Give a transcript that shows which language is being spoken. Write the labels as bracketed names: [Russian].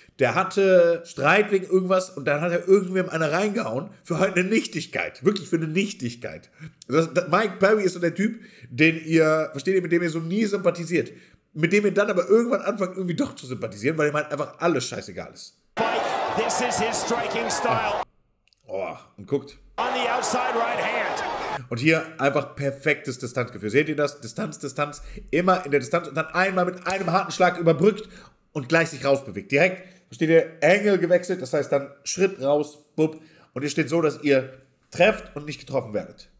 [German] Der hatte Streit wegen irgendwas und dann hat er irgendwem eine reingehauen für halt eine Nichtigkeit. Wirklich für eine Nichtigkeit. Das Mike Perry ist so der Typ, den ihr, versteht ihr, mit dem ihr so nie sympathisiert. Mit dem ihr dann aber irgendwann anfangt, irgendwie doch zu sympathisieren, weil ihm halt einfach alles scheißegal ist. [English] Mike, this is his striking style. [German] Oh, und guckt. [English] On the outside right hand. [German] Und hier einfach perfektes Distanzgefühl. Seht ihr das? Distanz, Distanz, immer in der Distanz und dann einmal mit einem harten Schlag überbrückt und gleich sich rausbewegt. Direkt, versteht ihr, Engel gewechselt, das heißt dann Schritt raus, bupp. Und ihr steht so, dass ihr trefft und nicht getroffen werdet.